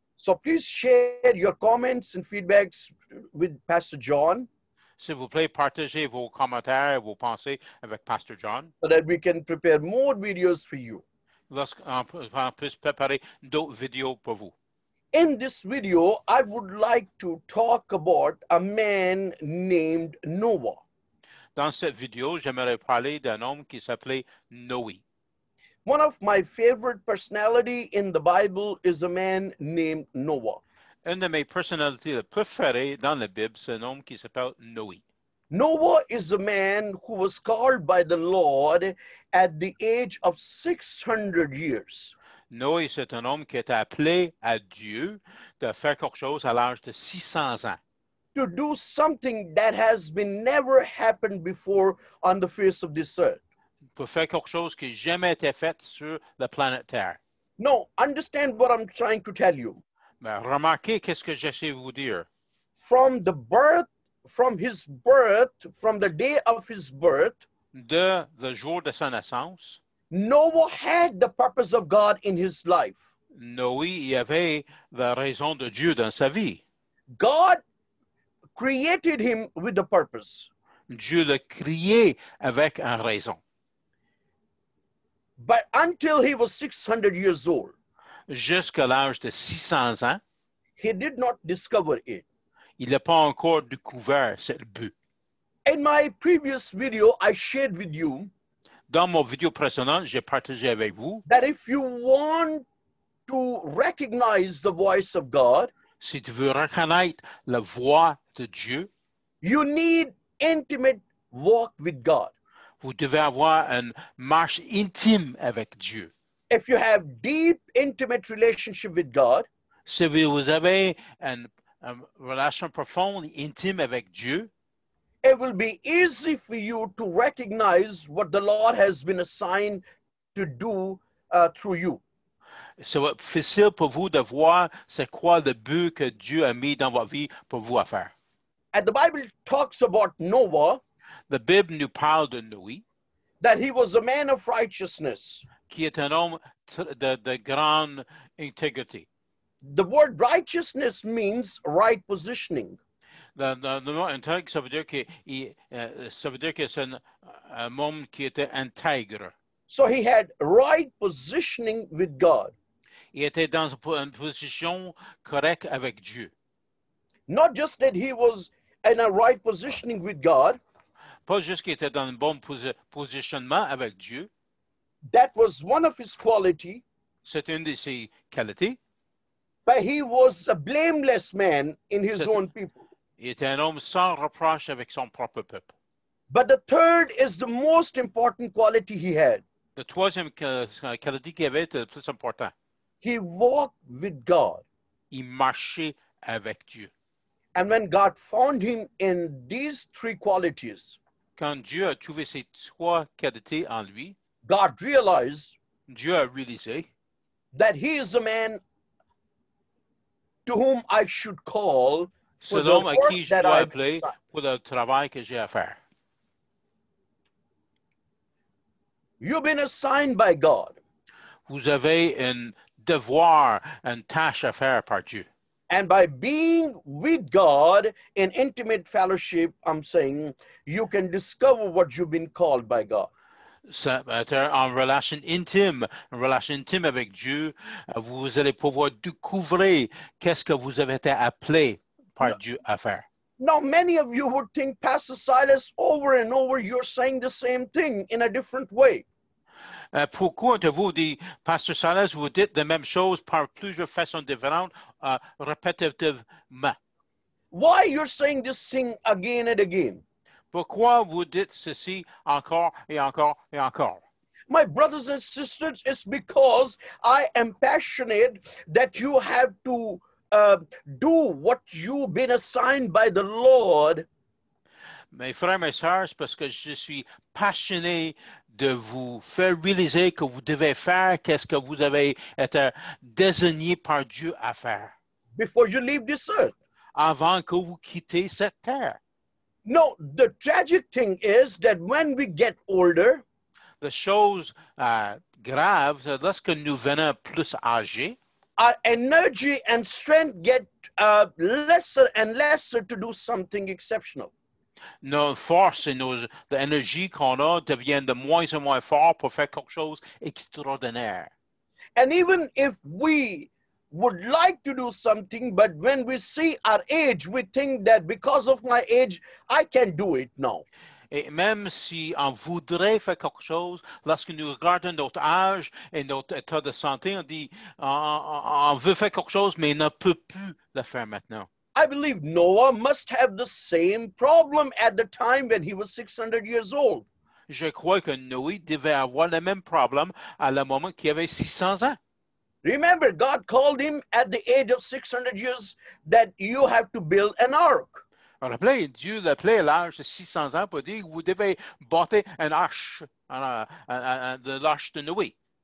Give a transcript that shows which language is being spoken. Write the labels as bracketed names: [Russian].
[English] So please share your comments and feedbacks with Pastor John. [French] S'il vous plaît, partagez vos commentaires et vos pensées avec Pasteur John. [English] So that we can prepare more videos for you. [French] Lorsqu'on puisse préparer d'autres vidéos pour vous. [English] In this video, I would like to talk about a man named Noah. [French] Dans cette vidéo, j'aimerais parler d'un homme qui s'appelait Noé. [English] One of my favorite personality in the Bible is a man named Noah. [French] Une de mes personnalités préférées dans la Bible, c'est un homme qui s'appelle Noé. [English] Noah is a man who was called by the Lord at the age of 600 years. [French] Noé, c'est un homme qui est appelé à Dieu de faire quelque chose à l'âge de 600 ans. [English] To do something that has been never happened before on the face of this earth. [French] Pour faire quelque chose qui n'a jamais été fait sur la planète Terre. [English] No, understand what I'm trying to tell you. [French] Mais remarquez qu'est-ce que j'essaie de vous dire. [English] From the day of his birth, [French] de le jour de sa naissance, [English] Noah had the purpose of God in his life. [French] Noé, il avait la raison de Dieu dans sa vie. [English] God created him with a purpose. [French] Dieu l'a créé avec une raison. [English] But until he was 600 years old, [French] jusqu'à l'âge de 600 ans, [English] he did not discover it. [French] Il n'a pas encore découvert ce but. [English] In my previous video, I shared with you. [French] Dans mon vidéo précédente, j'ai partagé avec vous. [English] That if you want to recognize the voice of God, [French] si tu veux reconnaître la voix de Dieu, [English] you need intimate walk with God. [French] Vous devez avoir une marche intime avec Dieu. [English] If you have deep intimate relationship with God, [French] si vous avez une relation profonde, intime avec Dieu, [English] it will be easy for you to recognize what the Lord has been assigned to do through you. [French] Ça va être facile pour vous de voir c'est quoi le but que Dieu a mis dans votre vie pour vous à faire. [English] And the Bible talks about Noah. The Bible [French] nous parle de Noé. [English] That he was a man of righteousness. [French] Qui est un homme de grande intégrité. [English] The word righteousness means right positioning. [French] Le mot intègre, ça veut dire que c'est un homme qui était intègre. [English] So he had right positioning with God. [French] Il était dans une position correcte avec Dieu. [English] Not just that he was in a right positioning with God. [French] Pas juste qu'il était dans un bon positionnement avec Dieu. [English] That was one of his quality. [French] C'est une de ses qualités. [English] But he was a blameless man in his own people. [French] Il était un homme sans reproche avec son propre peuple. [English] But the third is the most important quality he had. [French] La troisième qualité qu'il avait était la plus importante. [English] He walked with God. [French] Il marchait avec Dieu. [English] And when God found him in these three qualities, [French] quand Dieu a trouvé ces trois qualités en lui, [English] God realized, [French] Dieu a réalisé, [English] that he is a man to whom I should call for the work that I play for the [French] travail que j'ai à faire. [English] You've been assigned by God. [French] Vous avez un devoir, une tâche à faire par Dieu. [English] And by being with God in intimate fellowship, I'm saying, you can discover what you've been called by God. [French] En relation intime avec Dieu, vous allez pouvoir découvrir qu'est-ce que vous avez été appelé par Dieu à faire. [English] Now, many of you would think, Pastor Silas, over and over, you're saying the same thing in a different way. [French] Pourquoi de vous dit, Pastor Silas, vous dites la même chose par plusieurs façons différentes, répétitivement? [English] Why you're saying this thing again and again? [French] Pourquoi vous dites ceci encore et encore et encore? [English] My brothers and sisters, it's because I am passionate that you have to do what you've been assigned by the Lord. [French] Mes frères, mes sœurs, parce que je suis passionné de vous faire réaliser que vous devez faire qu'est-ce que vous avez été désigné par Dieu à faire. [English] Before you leave this earth. [French] Avant que vous quittiez cette terre. [English] No, the tragic thing is that when we get older, the [French] chose grave, lorsque nous venons plus âgés, [English] our energy and strength get lesser and lesser to do something exceptional. [French] Nos forces et [English] the energy [French] qu'on a deviennent de moins en moins fort pour faire quelque chose extraordinaire. [English] And even if we would like to do something, but when we see our age, we think that because of my age, I can do it now. [French] Et même si on voudrait faire quelque chose, lorsque nous regardons notre âge et notre état de santé, on dit, on veut faire quelque chose, mais on ne peut plus le faire maintenant. [English] I believe Noah must have the same problem at the time when he was 600 years old. [French] Je crois que Noé devait avoir le même problème à le moment qu'il avait 600 ans. [English] Remember, God called him at the age of 600 years that you have to build an ark. [French] Rappelez, Dieu l'appelait à l'âge de 600 ans pour dire que vous devez bâtir un arche, l'arche de Noé.